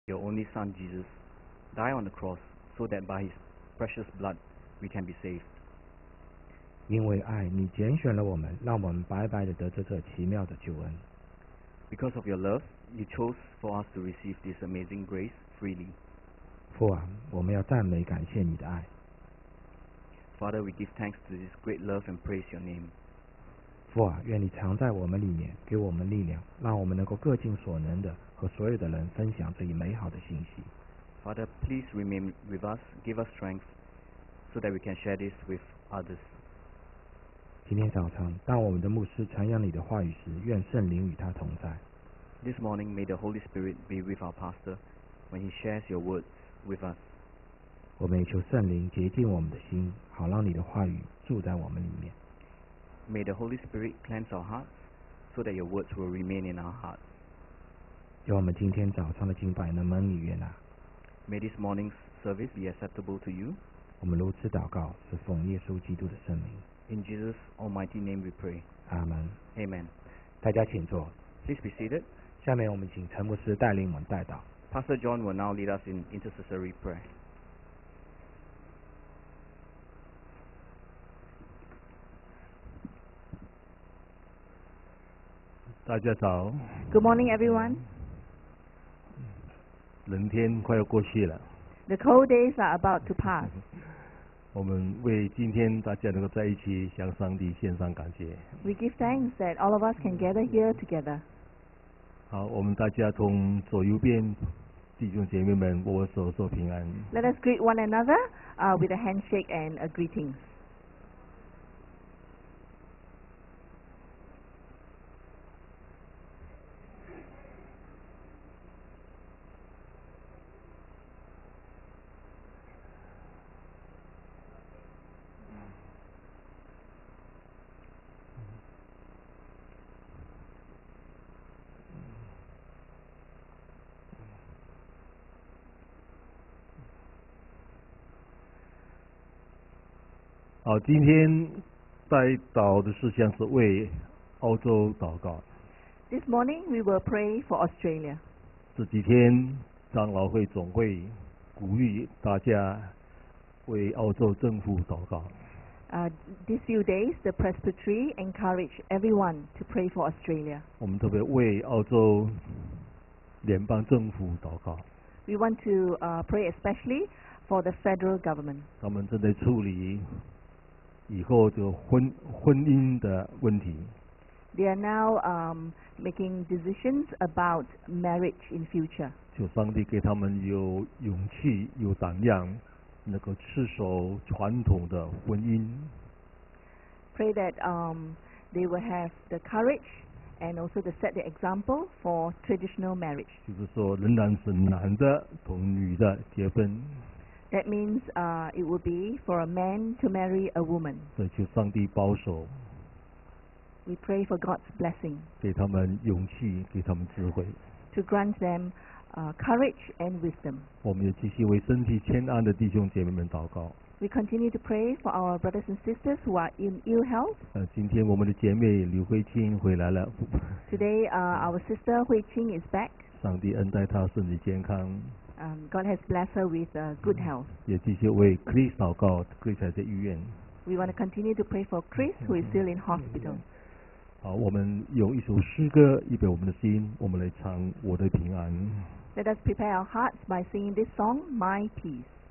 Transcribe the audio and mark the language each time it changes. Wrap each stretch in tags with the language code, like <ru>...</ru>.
<en>your only son Jesus die on the cross so that by his precious blood we can be saved.</en> <zh>因为爱你拣选了我们，让我们白白地得着这奇妙的救恩。</zh> <en>Because of your love, you chose for us to receive this amazing grace freely.</en> <zh>父啊，我们要赞美感谢你的爱。</zh> <en>Father, we give thanks to this great love and praise your name.</en> <zh>父啊，愿你常在我们里面，给我们力量，让我们能够各尽所能地和所有的人分享这一美好的信息。</zh> <en>Father, please remain with us, give us strength, so that we can share this with others.</en> <zh>今天早上，当我们的牧师传扬你的话语时，愿圣灵与他同在。</zh> <en>This morning, may the Holy Spirit be with our pastor when he shares your words with us.</en> <zh>我们也求圣灵洁净我们的心，好让你的话语住在我们里面。</zh> <en>May the Holy Spirit cleanse our hearts so that your words will remain in our hearts.</en> <zh>愿我们今天早上的敬拜能蒙你悦纳。</zh> <en>May this morning's service be acceptable to you.</en> <zh>我们如此祷告，是奉耶稣基督的圣名。</zh> <en>In Jesus' almighty name we pray. Amen. Amen.</en> <zh>大家请坐。</zh> <en>Please be seated.</en> <zh>下面我们请陈牧师带领我们带祷。</zh> <en>Pastor John will now lead us in intercessory prayer.</en> <zh>大家早。</zh> <en>Good morning, everyone.</en> <zh>冷天快要过去了。</zh> <en>The cold days are about to pass.</en> <zh>我们为今天大家能够在一起向上帝献上感谢。</zh> <en>We give thanks that all of us can gather here together.</en> <zh>好，我们大家从左右边弟兄姐妹们握手说平安。</zh> <en>Let us greet one another, with a handshake and a greeting.</en> <zh>好，今天代祷的事项是为澳洲祷告。</zh> <en>This morning we will pray for Australia.</en> <zh>这几天长老会总会鼓励大家为澳洲政府祷告。</zh> <en>These few days the presbytery encourage everyone to pray for Australia.</en> <zh>我们特别为澳洲联邦政府祷告。</zh> <en>We want to pray especially for the federal government.</en> <zh>他们正在处理。以后这个婚姻的问题。</zh> <en>They are now making decisions about marriage in future.</en> <zh>求上帝给他们有勇气、有胆量，能够持守传统的婚姻。</zh> <en>Pray that they will have the courage and also to set the example for traditional marriage.</en> <zh>就是说，仍然是男的同女的结婚。</zh> <en>That means it would be for a man to marry a woman.</en> <zh>对，求上帝保守。</zh> <en>We pray for God's blessing.</en> <zh>给他们勇气，给他们智慧。</zh> <en>To grant them courage and wisdom.</en> <zh>我们也继续为身体欠安的弟兄姐妹们祷告。</zh> <en>We continue to pray for our brothers and sisters who are in ill health.</en> <zh>今天我们的姐妹刘慧清回来了。</zh> <en>Today our sister 慧清 is back.</en> <zh>上帝恩待她身体健康。</zh> <en>God has blessed her with good health.</en> <zh>也继续为 Chris 祷告 ，Chris 还在医院。</zh> <en>We want to continue to pray for Chris, who is still in hospital.</en> <zh>好，我们用一首诗歌预备我们的心，我们来唱《我的平安》。</zh> <en>Let us prepare our hearts by singing this song, My Peace.</en>